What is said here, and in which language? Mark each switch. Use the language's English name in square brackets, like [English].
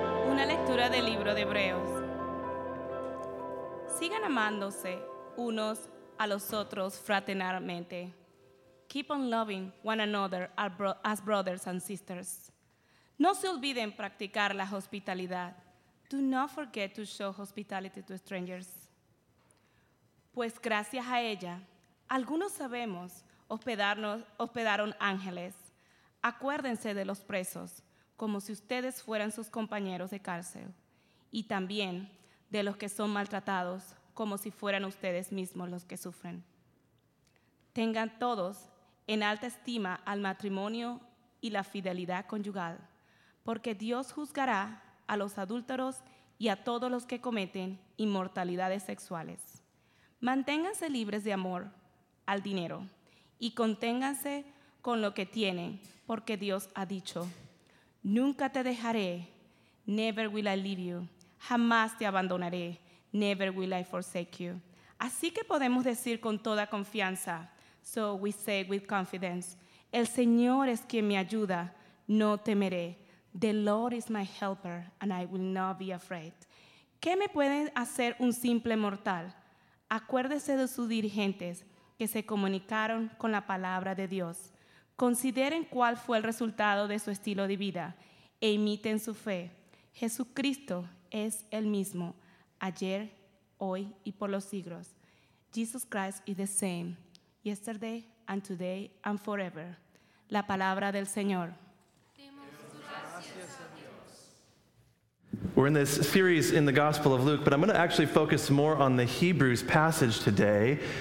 [Spanish] Una lectura del libro de Hebreos. Sigan amándose unos a los otros fraternalmente. [English] Keep on loving one another as brothers and sisters. [Spanish] No se olviden practicar la hospitalidad. [English] Do not forget to show hospitality to strangers. [Spanish] Pues gracias a ella, algunos sabemos hospedaron ángeles. Acuérdense de los presos, como si ustedes fueran sus compañeros de cárcel, y también de los que son maltratados, como si fueran ustedes mismos los que sufren. Tengan todos en alta estima al matrimonio y la fidelidad conyugal, porque Dios juzgará a los adúlteros y a todos los que cometen inmoralidades sexuales. Manténganse libres de amor al dinero y conténganse con lo que tienen, porque Dios ha dicho, nunca te dejaré, [English] never will I leave you, [Spanish] jamás te abandonaré, [English] never will I forsake you. [Spanish] Así que podemos decir con toda confianza, [English] so we say with confidence, [Spanish] el Señor es quien me ayuda, no temeré. [English] The Lord is my helper, and I will not be afraid. [Spanish] ¿Qué me puede hacer un simple mortal? Acuérdese de sus dirigentes que se comunicaron con la palabra de Dios. Consideren cuál fue el resultado de su estilo de vida e imiten su fe. Jesucristo es el mismo, ayer, hoy y por los siglos. [English] Jesus Christ is the same, yesterday and today and forever. [Spanish] La palabra del Señor. [English] We're in this series in the Gospel of Luke, but I'm going to actually focus more on the Hebrews passage today.